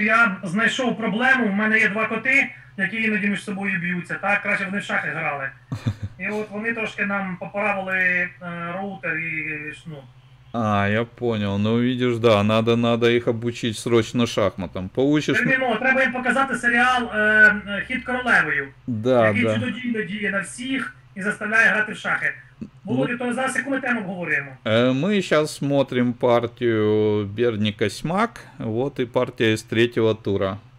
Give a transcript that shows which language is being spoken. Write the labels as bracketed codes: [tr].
[uk] Я знайшов проблему. У мене є два коти, які іноді між собою б'ються. Так, краще вони в шахи грали. І от вони трошки нам поправили роутер і шну. [ru] А, я понял. Ну, видишь, да, надо їх обучити срочно шахматам. Получиш... [uk] Терміно, треба їм показати серіал «Хід королевою», да, який да. Чудодійно діє на всіх і заставляє грати в шахи. Володя, то зараз яку ми тему обговорюємо? Ми зараз смотрим партію Берніка Смак, от і партія з третього тура.